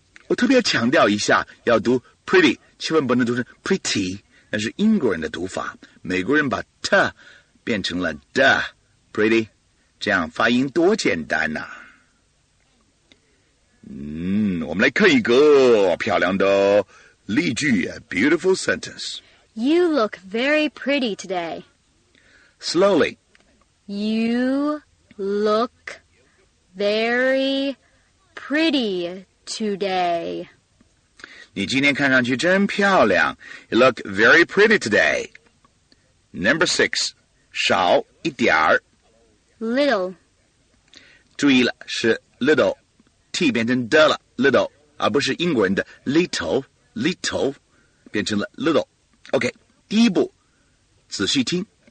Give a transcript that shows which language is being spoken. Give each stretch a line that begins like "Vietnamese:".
Chinese: 我特别强调一下, 要读 pretty, 千万不能读成 pretty, 那是英国人的读法, 美国人把t 变成了d, pretty. 这样发音多简单啊。我们来看一个漂亮的例句,
English: a beautiful sentence. You look very pretty today. Slowly. You look very pretty today.
Chinese: 你今天看上去真漂亮,
English: you look very pretty today.
Chinese: Number 6, 少一点儿。
English: Little.
Chinese: 注意了,是 little, T变成的了, little, 而不是英国人的 little, little, 变成了 little. OK, 第一步, 仔细听。